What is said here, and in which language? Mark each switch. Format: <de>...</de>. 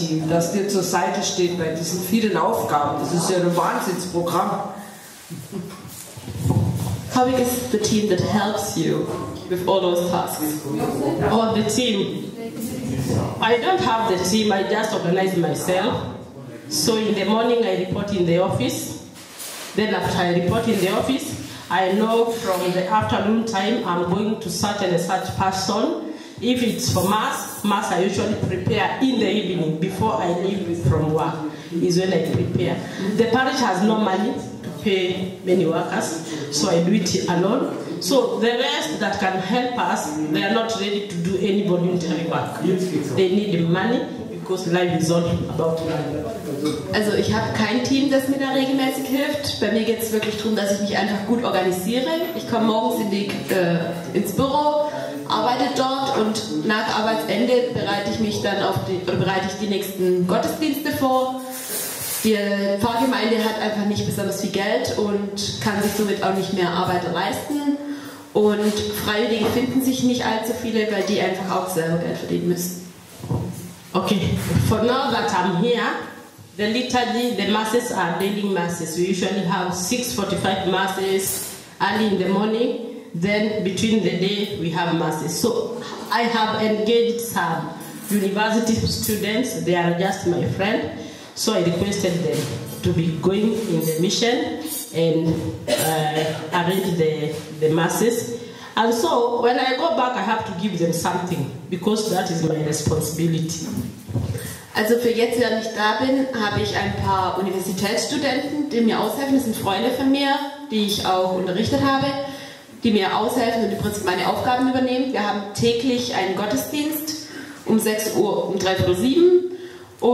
<de>Das dir zur Seite steht bei diesen vielen Aufgaben. Das ist ja ein Wahnsinnsprogramm.</de> <en>How big is the team that helps you with all those tasks? Oh, the team. I don't have the team, I just organize myself. So in the morning I report in the office. Then after I report in the office, I know from the afternoon time I'm going to such and such person. If it's for mass I usually prepare in the evening before I leave from work, is when I prepare. The parish has no money to pay many workers, so I do it alone. So the rest that can help us, they are not ready to do any voluntary work. They need money, because life is all about money.</en> <de>Also ich habe kein Team, das mir da regelmäßig hilft. Bei mir geht es wirklich darum, dass ich mich einfach gut organisiere. Ich komme morgens ins Büro, arbeite dort und nach Arbeitsende bereite ich die nächsten Gottesdienste vor. Die Pfarrgemeinde hat einfach nicht besonders viel Geld und kann sich somit auch nicht mehr Arbeit leisten. Und Freiwillige finden sich nicht allzu viele, weil die einfach auch selber Geld verdienen müssen.</de> <en>Okay, for now that I'm here, the liturgy, the masses are daily masses. We usually have 6:45 masses early in the morning. Then between the day we have masses. So I have engaged some university students. They are just my friend. So I requested them to be going in the mission and arrange the masses. And so when I go back, I have to give them something because that is my responsibility.</en> <de>Also für jetzt, während ich da bin, habe ich ein paar Universitätsstudenten, die mir aushelfen. Das sind Freunde von mir, die ich auch unterrichtet habe, die mir aushelfen und im Prinzip meine Aufgaben übernehmen. Wir haben täglich einen Gottesdienst um 6 Uhr, um 3.07 Uhr.</de>